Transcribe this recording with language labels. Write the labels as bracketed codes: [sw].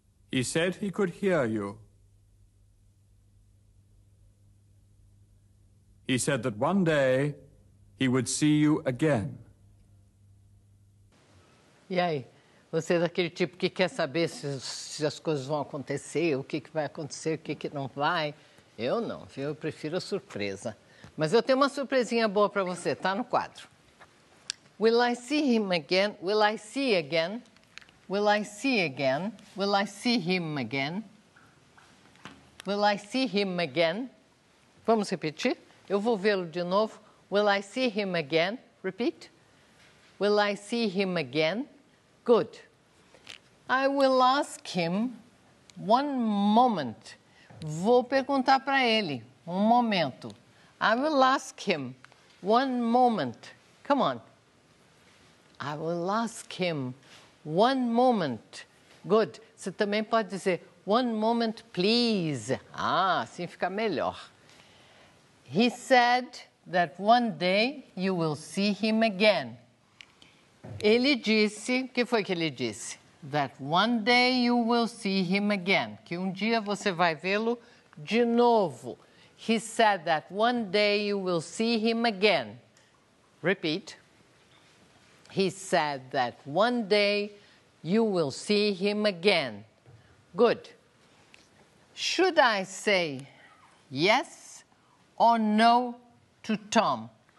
[en] He said he could hear you. He said that one day he would see you again. [pt] E aí, você é daquele tipo que quer saber se as coisas vão acontecer, o que vai acontecer, o que não vai? Eu não, viu? Eu prefiro a surpresa. Mas eu tenho uma surpresinha boa para você, tá no quadro. [en] Will I see him again? Will I see again? Will I see again? Will I see him again? Will I see him again? [pt] Vamos repetir? Eu vou vê-lo de novo. [en] Will I see him again? Repeat. Will I see him again? Good. I will ask him one moment. [pt] Vou perguntar para ele. Um momento. [en] I will ask him one moment. Come on. I will ask him one moment. Good. [pt] Você também pode dizer [en] one moment, please. [pt] Ah, assim fica melhor. [en] He said that one day you will see him again. [pt] Ele disse, o que foi que ele disse? [en] That one day you will see him again. [pt] Que um dia você vai vê-lo de novo. [en] He said that one day you will see him again. Repeat. He said that one day You will see him again. Good. Should I say yes or no to Tom?